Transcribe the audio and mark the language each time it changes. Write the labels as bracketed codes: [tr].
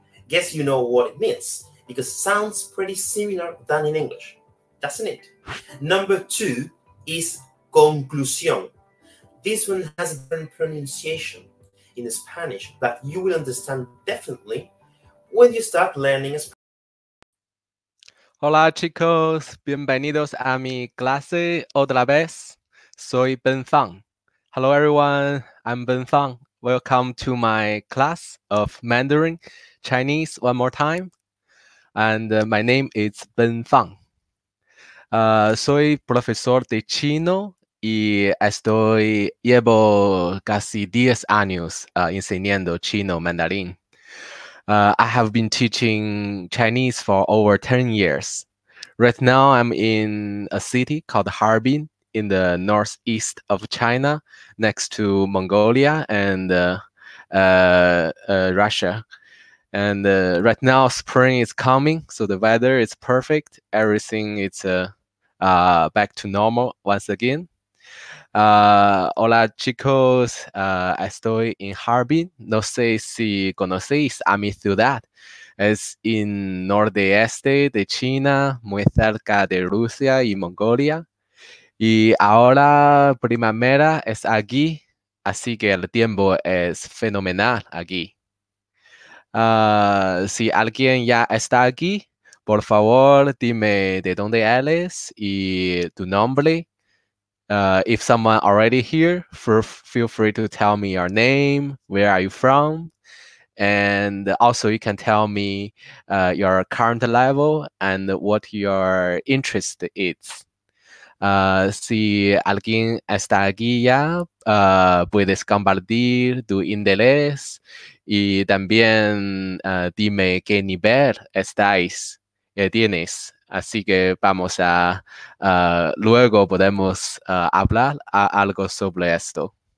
[en] Guess you know what it means, because it sounds pretty similar than in English, doesn't it? Number two is conclusión. This one has a different pronunciation in Spanish, but you will understand definitely when you start learning Spanish. [es] Hola chicos, bienvenidos a mi clase otra vez. Soy Benfang. [en] Hello everyone, I'm Benfang. Welcome to my class of Mandarin Chinese one more time. And my name is Benfang. [es] Soy profesor de chino y estoy llevo casi 10 años enseñando chino mandarín. [en] I have been teaching Chinese for over 10 years. Right now, I'm in a city called Harbin in the northeast of China, next to Mongolia and Russia. And right now, spring is coming, so the weather is perfect. Everything is back to normal once again. [es] Hola chicos, estoy en Harbin. No sé si conocéis a mi ciudad. Es en nordeste de China, muy cerca de Rusia y Mongolia. Y ahora primavera es aquí, así que el tiempo es fenomenal aquí. Si alguien ya está aquí, por favor dime de dónde eres y tu nombre. [en] If someone already here, feel free to tell me your name, where are you from, and also you can tell me your current level and what your interest is. [es] Si alguien está aquí ya, puedes compartir tu interés y también dime qué nivel estáis, tienes. Así que vamos a, luego podemos hablar algo sobre esto.